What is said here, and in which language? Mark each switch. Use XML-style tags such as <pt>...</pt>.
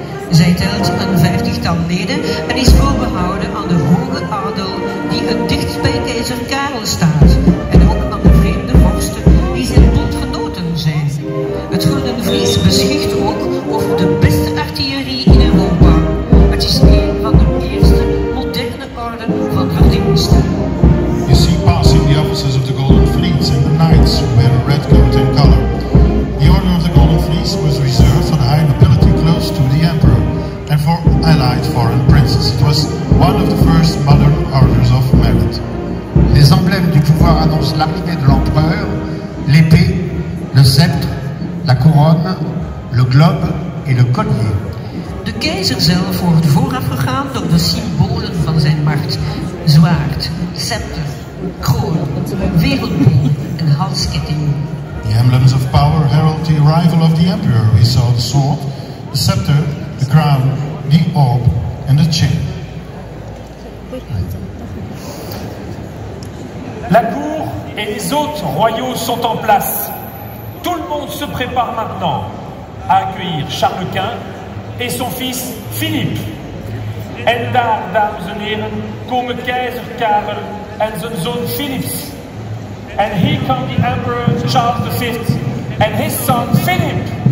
<nl>Zij telt een vijftigtal leden en is voorbehouden aan de hoge adel die het dicht bij keizer Karel staat en ook aan de vreemde vorsten die zijn bondgenoten zijn. Het Gouden Vries beschikt ook over de beste artillerie in Europa. Het is een van de</nl> <en>You see passing the officers of the Golden Fleece and the knights who wear a red coat and collar. The Order of the Golden Fleece was reserved for the high nobility close to the Emperor and for allied foreign princes. It was one of the first modern orders of merit.</en> <fr>Les emblèmes du pouvoir annoncent l'arrivée de l'empereur, l'épée, le sceptre, la couronne, le globe et le collier.</fr> <nl>De keizer zelf wordt vooraf gegaan door de symbolen van zijn macht. Zwaard, scepter, kroon, wereldbol en halsketting.</nl> <en>The emblems of power herald the arrival of the emperor. We saw the sword, the scepter, the crown, the orb and the chain.</en> <fr>La cour et les autres royaux sont en place. Tout le monde se prépare maintenant à accueillir Charles Quint et son fils Philippe.</fr> <nl>En daar, dames en heren, komen keizer Karel en zijn zoon Philips. En hier komt de emperor Charles V en zijn zoon Philip.</nl>